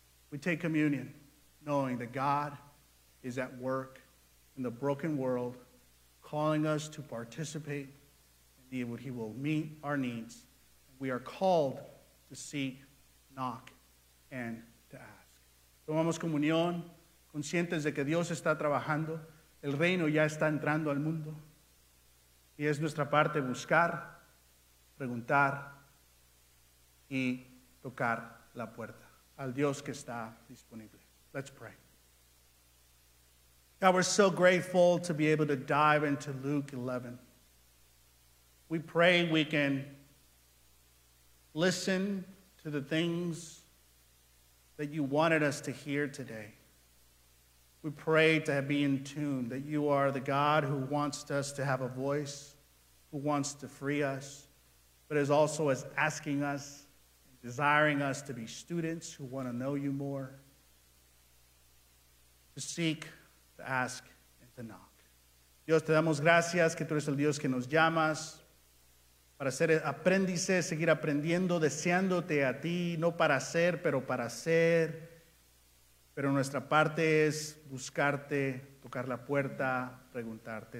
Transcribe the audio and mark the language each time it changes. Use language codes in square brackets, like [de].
[en] We take communion knowing that God is at work in the broken world, calling us to participate in what he will meet our needs. We are called to seek, knock, and to ask. [es] Tomamos comunión, conscientes de que Dios está trabajando. El reino ya está entrando al mundo. Y es nuestra parte buscar, preguntar y tocar la puerta al Dios que está disponible. [en] Let's pray. God, we're so grateful to be able to dive into Luke 11. We pray we can listen to the things that you wanted us to hear today. We pray to be in tune, that you are the God who wants us to have a voice, who wants to free us, but is also as asking us, desiring us to be students who want to know you more, to seek, to ask, and to knock. [es] Dios, te damos gracias que tú eres el Dios que nos llamas para ser aprendices, seguir aprendiendo, deseándote a ti, no para ser, pero para ser. Pero nuestra parte es buscarte, tocar la puerta, preguntarte.